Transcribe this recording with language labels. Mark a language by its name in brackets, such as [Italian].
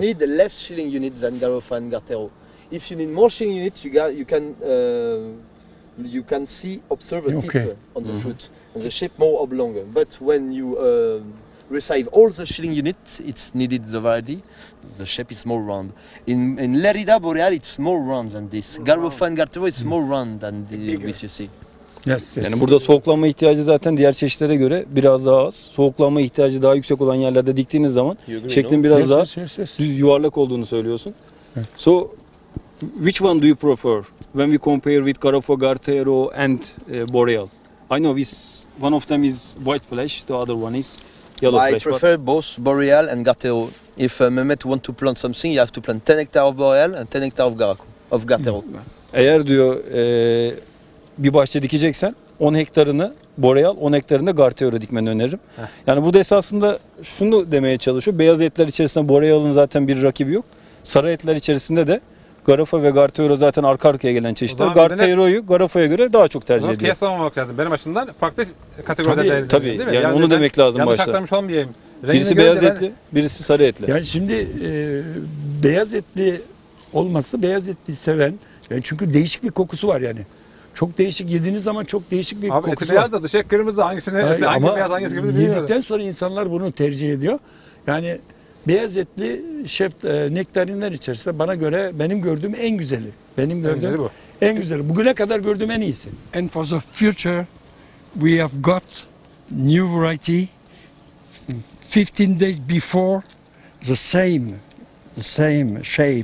[English] Because need less shilling units than Garofa and Gartero. If you need more shilling units, you can see observe a okay. tip on the mm-hmm. fruit and the shape more oblong. But when you receive all the shilling units, it's needed the variety. The shape is more round. In Lérida Boreal, it's more round than this. Garofa and Gartero is more round than the which you see. Yes, yes. [Turkish] Yani burada soğuklanma ihtiyacı zaten diğer çeşitlere göre biraz daha az. Soğuklanma ihtiyacı daha yüksek olan yerlerde diktiğiniz zaman şeklin biraz daha düz yuvarlak olduğunu söylüyorsun. Evet. [English] So which one do you prefer when we compare with Garofa, Gartero and Boreal? I know this one of them is white flesh, the other one is yellow flesh. I prefer both Boreal and Gartero. If Mehmet want to plant something, you have to plant 10 hectares of Boreal and 10 hectares of Gartero. [Turkish] Eğer diyor bir bahçe dikeceksen 10 hektarını Boreal, 10 hektarını Gartero dikmeni öneririm. Heh. Yani burada esasında şunu demeye çalışıyor. Beyaz etler içerisinde Boreal'ın zaten bir rakibi yok. Sarı etler içerisinde de Garofa ve Gartero zaten arka arkaya gelen çeşitler. Gartero'yu Garofa'ya göre daha çok tercih ediyor. Bunu kıyaslamamak lazım. Benim açımdan farklı kategoride değerlendiriyor. Tabii. Değil mi? Yani onu demek lazım yanlış başta. Yanlış aktarmış olmayayım. Rengini birisi beyaz etli, birisi sarı etli. Yani şimdi beyaz etli olması, beyaz etli seven, yani çünkü değişik bir kokusu var yani. Çok değişik, yediğiniz zaman çok değişik bir kokusu var. Abi eti beyaz da dışarı kırmızı, hangisini, hangi beyaz, hangisi kırmızı bilmiyorum. Yedikten sonra insanlar bunu tercih ediyor. Yani beyaz etli şef nektarinler içerisinde bana göre benim gördüğüm en güzeli. Benim gördüğüm en güzeli bu. En güzeli. Bugüne kadar gördüğüm en iyisi. [English] And for the future we have got new variety 15 days before the same shape,